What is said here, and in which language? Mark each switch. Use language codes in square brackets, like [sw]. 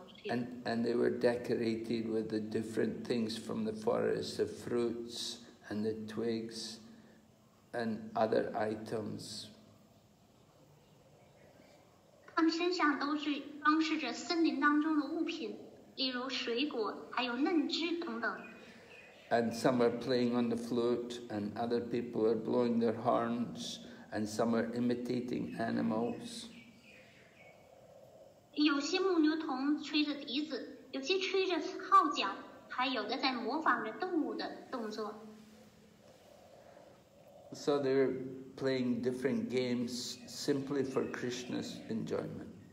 [en] And they were decorated with the different things from the forest, the fruits and the twigs. And other items. [zh] 他们身上都是装饰着森林当中的物品，例如水果，还有嫩枝等等。 [en] And some are playing on the flute, and other people are blowing their horns, and some are imitating animals. [zh] 有些牧牛童吹着笛子，有些吹着号角，还有的在模仿着动物的动作。 [en] So they were playing different games simply for Krishna's enjoyment.